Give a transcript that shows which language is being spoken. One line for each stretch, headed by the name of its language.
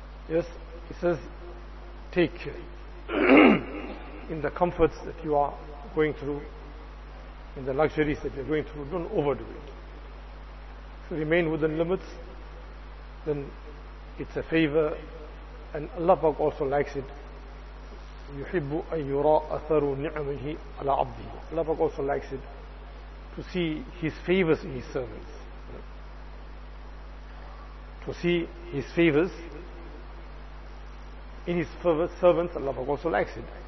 English: Yes, he says, take care in the comforts that you are going through, in the luxuries that you're going through, don't overdo it. If you remain within limits, then it's a favor, and Allah also likes it.
Arabic: يُحِبُّ أَن يُرَى أَثَرُ نِعْمِهِ عَلَىٰ عَبْدِهِ.
English: Allah also likes it to see His favors in His servants. To see His favors in His servants, Allah also likes it.